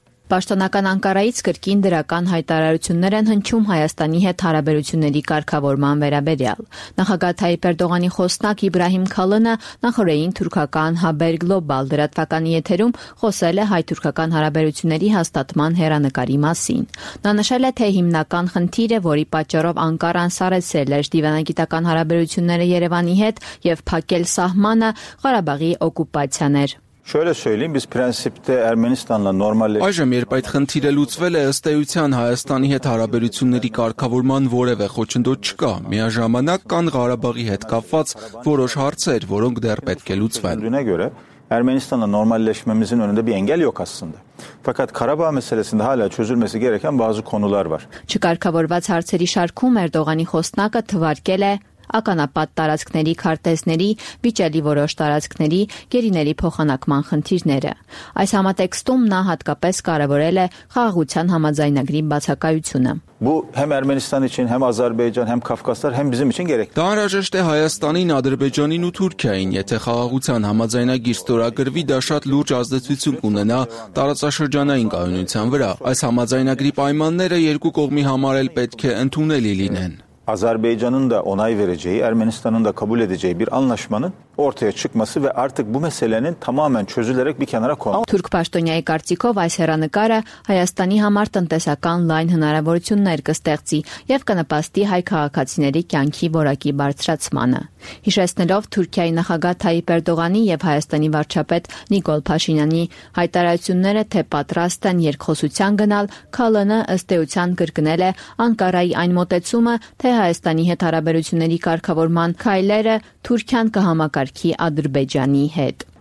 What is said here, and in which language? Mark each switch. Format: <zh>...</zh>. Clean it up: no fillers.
<hy>Պաշտոնական Անկարայից կրկին դրական հայտարարություններ են հնչում Հայաստանի հետ հարաբերությունների կարգավորման վերաբերյալ։ Նախագահ Թայիպ Էրդողանի խոսնակ Իբրահիմ Քալընը նախորդին թուրքական Haber Global լրատվականի եթերում խոսել է հայ-թուրքական հարաբերությունների հաստատման հեռանկարի մասին։ Նա նշել է, թե հիմնական խնդիրը, որի պատճառով Անկարան սարեցրել է դիվանագիտական հարաբերությունները Երևանի հետ եւ փակել սահմանը, Ղարաբաղի օկուպացիան էր։ Այժմ, երբ այդ խնդիրը լուծվել է, ըստ էության Հայաստանի հետ հարաբերությունների կարգավորման որևէ խոչընդոտ չկա։ Միաժամանակ կան Ղարաբաղի հետ կապված որոշ հարցեր, որոնք դեռ պետք է լուծվեն։</hy> <tr>Ermenistan'la normalleşmemizin önünde bir engel yok aslında. Fakat Karabağ meselesinde hala çözülmesi gereken bazı konular var.</tr> <hy>Չկարգավորված հարցերի շարքում Էրդողանի խոսնակը թվարկել է ականապատ տարածքների քարտեզների, վիճելի որոշ տարածքների, գերիների փոխանակման խնդիրները։ Այս համատեքստում նա հատկապես կարևորել է խաղաղության համաձայնագրի բացակայությունը։</hy> <tr>Bu hem Ermenistan için hem Azerbaycan hem Kafkaslar hem bizim için gerekli.</tr> <hy>Դա անհրաժեշտ է Հայաստանին, Ադրբեջանին ու Թուրքիային, եթե խաղաղության համաձայնագիր ստորագրվի, դա շատ լուրջ ազդեցություն կունենա տարածաշրջանային կայունության վրա։ Այս համաձայնագրի պայմանները երկու կողմի համար էլ պետք է ընդունելի լինեն։</hy> <tr>Azerbaycan'ın da onay vereceği, Ermenistan'ın da kabul edeceği bir anlaşmanın ortaya çıkması ve artık bu meselenin tamamen çözülerek bir kenara konması.</tr> <hy>Türk Paştonya'yı kartikov այս հեռանկարը Հայաստանի համար տնտեսական լայն հնարավորություններ կստեղծի եւ կնպաստի հայ քաղաքացիների կյանքի որակի բարձրացմանը։ Հիշեցնելով Թուրքիայի նախագահ Թայիպ Էրդողանի եւ Հայաստանի վարչապետ Նիկոլ Փաշինյանի հայտարարությունները, թե պատրաստ են երկխոսության գնալ, Քալընը ըստ էության կրկնել է Անկարայի այն մտածումը, թե Հայաստանի հետ հարաբերությունների կարգավորման քայլերը Թուրքիան կհամակարգի Ադրբեջանի հետ։</hy>